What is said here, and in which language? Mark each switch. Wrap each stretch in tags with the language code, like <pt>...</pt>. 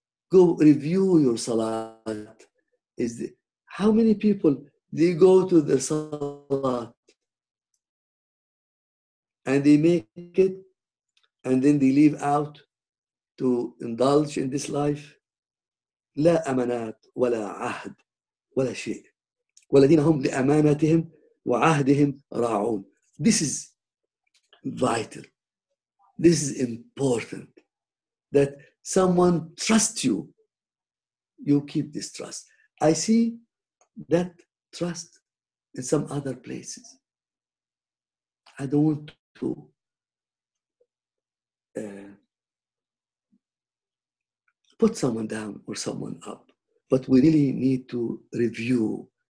<en>Go review your salat. How many people, they go to the salat and they make it and then they leave out to indulge in this life?</en> <ar>لا أمانات ولا عهد ولا شيء. والذين هم لأمانتهم وعهدهم راعون.</ar> <en>This is vital. This is important. That someone trusts you, you keep this trust. I see that trust in some other places. I don't want to put someone down or someone up, but we really need to review.</en>